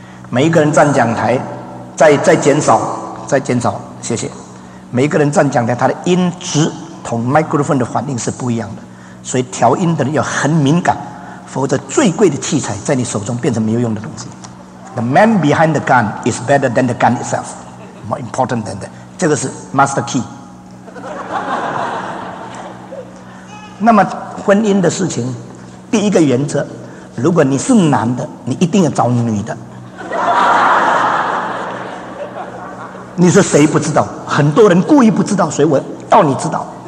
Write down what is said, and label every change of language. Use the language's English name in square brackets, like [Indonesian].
[Chinese] 每一个人站讲台再减少，谢谢。每一个人站讲台，他的音质同 microphone 的反应是不一样的，所以调音的人要很敏感，否则最贵的器材在你手中变成没有用的东西。 [English] The man behind the gun is better than the gun itself, more important than that. [Chinese] 这个是 master key。那么婚姻的事情，第一个原则，如果你是男的，你一定要找女的。你说谁不知道？很多人故意不知道，所以我到你知道。